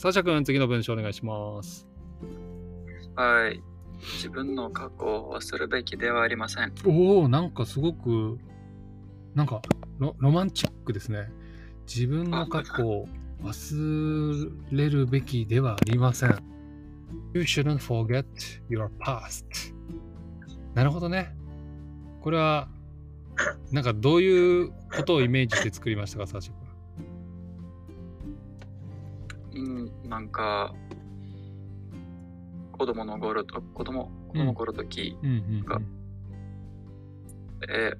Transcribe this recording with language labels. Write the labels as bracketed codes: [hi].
[ja] サシャ君、次の文章お願いします。はい、自分の過去を忘れるべきではありません。おお、なんかすごくなんか ロマンチックですね。自分の過去を忘れるべきではありません。 [en] You shouldn't forget your past。 [ja] なるほどね。これはなんかどういうことをイメージして作りましたか、サーシャ君。なんか子供の頃と子供頃時、うんうんうん、